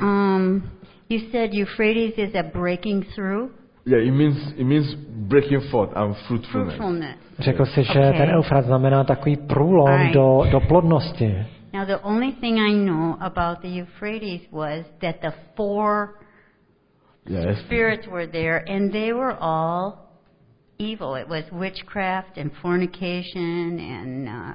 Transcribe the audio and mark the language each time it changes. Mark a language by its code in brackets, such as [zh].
[en] And you said Euphrates is a breaking through. Yeah, it means breaking forth and fruitfulness. [cs] Řekl jsi, že okay. Ten Eufrat znamená takový průlom right. do plodnosti. [en] Now the only thing I know about the Euphrates was that the four yes. Spirits were there, and they were all evil. It was witchcraft and fornication and